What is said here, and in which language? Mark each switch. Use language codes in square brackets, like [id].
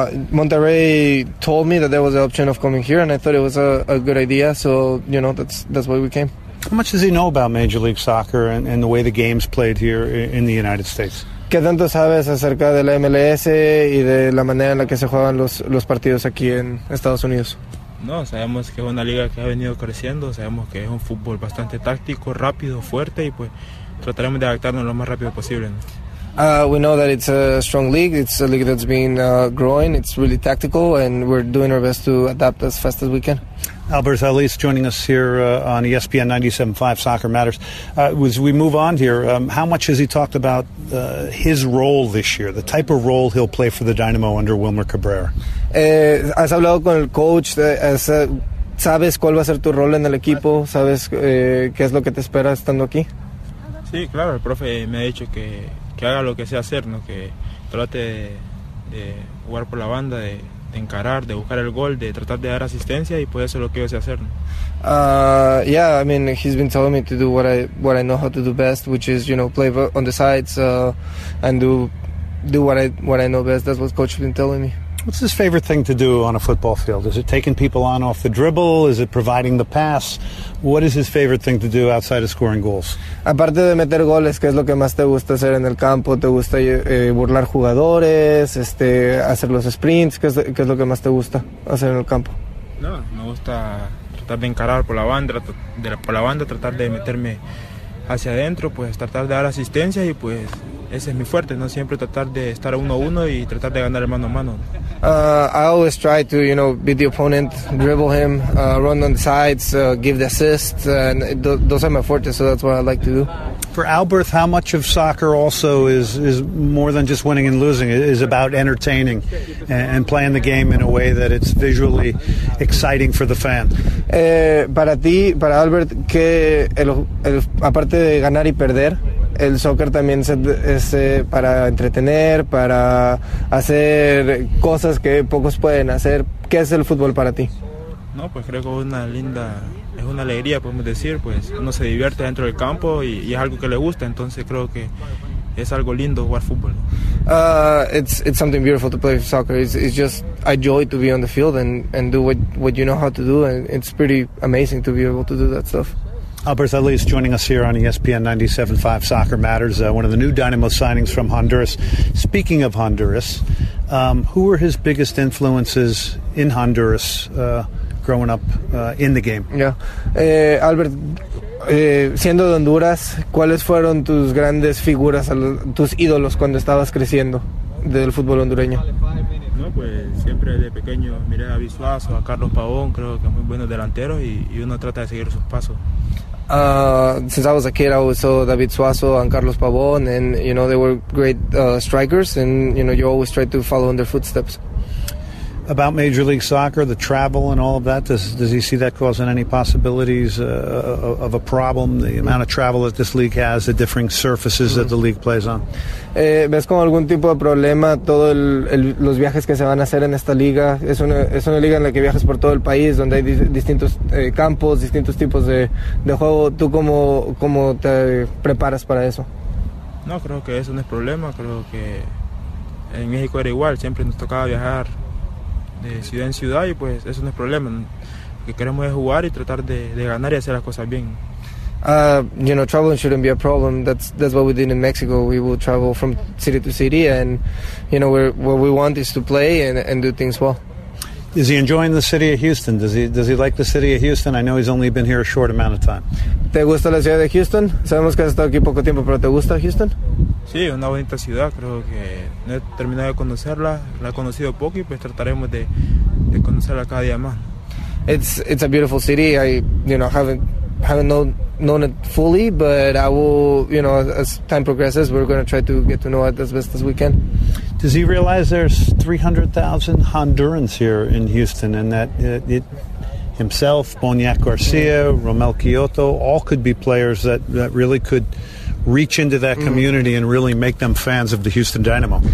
[en] Monterrey told me that there was an option of coming here and I thought it was a good idea, so you know, that's why we came. How much does he know about Major League Soccer and the way the game's played here in the United States? [es] ¿Qué tanto sabes acerca de la MLS y de la manera en la que se juegan los partidos aquí en Estados Unidos? No, sabemos que es una liga que ha venido creciendo, sabemos que es un fútbol bastante táctico, rápido, fuerte, y pues trataremos de adaptarnos lo más rápido posible, ¿no? [en] We know that it's a strong league. It's a league that's been growing. It's really tactical, and we're doing our best to adapt as fast as we can. Albert Elise joining us here on ESPN 97.5 Soccer Matters. As we move on here, how much has he talked about his role this year, the type of role he'll play for the Dynamo under Wilmer Cabrera? [es] Has hablado con el coach? ¿Sabes cuál va a ser tu rol en el equipo? ¿Sabes qué es lo que te espera estando aquí? Sí, claro. El profe me ha dicho que haga lo que sea hacer, ¿no? Que trate de jugar por la banda, de encarar, de buscar el gol, de tratar de dar asistencia, y pues eso es lo que yo sé hacer, ¿no? [en] Yeah, I mean, he's been telling me to do what I know how to do best, which is, you know, play on the sides and do what I know best. That's what coach has been telling me. What's his favorite thing to do on a football field? Is it taking people on off the dribble? Is it providing the pass? What is his favorite thing to do outside of scoring goals? [es] Aparte de meter goles, ¿qué es lo que más te gusta hacer en el campo? ¿Te gusta burlar jugadores, hacer los sprints? ¿Qué es lo que más te gusta hacer en el campo? No, me gusta tratar de encarar por la banda, tratar de meterme hacia adentro, pues tratar de dar asistencia, y pues ese es mi fuerte, ¿no? Siempre tratar de estar 1-1 y tratar de ganar mano a mano. [en] I always try to, you know, beat the opponent, dribble him, run on the sides, give the assist, and those are my fortes, so that's what I like to do. For Albert, how much of soccer also is more than just winning and losing? It is about entertaining and playing the game in a way that it's visually exciting for the fan. [es] Para ti, para Albert, que aparte de ganar y perder, el soccer también es para entretener, para hacer cosas que pocos pueden hacer. ¿Qué es el fútbol para ti? No, pues creo que es una alegría, podemos decir, pues uno se divierte dentro del campo y es algo que le gusta, entonces creo que es algo lindo jugar fútbol. [en] It's something beautiful to play soccer. It's just a joy to be on the field and do what you know how to do, and it's pretty amazing to be able to do that stuff. Albert Elise joining us here on ESPN 97.5 Soccer Matters, one of the new Dynamo signings from Honduras. Speaking of Honduras, who were his biggest influences in Honduras growing up in the game? Yeah. [es] Albert, siendo de Honduras, ¿cuáles fueron tus grandes figuras, tus ídolos cuando estabas creciendo del fútbol hondureño? No, pues siempre de pequeño miré a Suazo, a Carlos Pavón, creo que muy buenos delanteros, y uno trata de seguir sus pasos. [en] Since I was a kid, I always saw David Suazo and Carlos Pavón, and you know they were great strikers, and you know you always try to follow in their footsteps. About Major League Soccer, the travel and all of that, does he see that causing any possibilities of a problem? The amount of travel that this league has, the differing surfaces mm-hmm. that the league plays on. [es] ¿Ves como algún tipo de problema todos los viajes que se van a hacer en esta liga? Es una liga en la que viajas por todo el país, donde hay distintos campos, distintos tipos de juego. ¿Tú cómo te preparas para eso? No, creo que eso no es problema. Creo que en México era igual. Siempre nos tocaba viajar de ciudad en ciudad, y pues eso no es problema. Lo que queremos es jugar y tratar de ganar y hacer las cosas bien. [en] You know, traveling shouldn't be a problem. That's what we did in Mexico. We will travel from city to city, and you know, what we want is to play and do things well. Is he enjoying the city of Houston? Does he like the city of Houston? I know he's only been here a short amount of time. [es] ¿Te gusta la ciudad de Houston? Sabemos que has estado aquí poco tiempo, pero ¿te gusta Houston? Sí, una bonita ciudad. Creo que no he terminado de conocerla. La he conocido poco, y pues trataremos de conocerla cada día más. [en] It's a beautiful city. I haven't known it fully, but I will, you know, as time progresses, we're going to try to get to know it as best as we can. Does he realize there's 300,000 Hondurans here in Houston, and that it himself, Boniac Garcia, Romel Quioto, all could be players that really could reach into that community and really make them fans of the Houston Dynamo?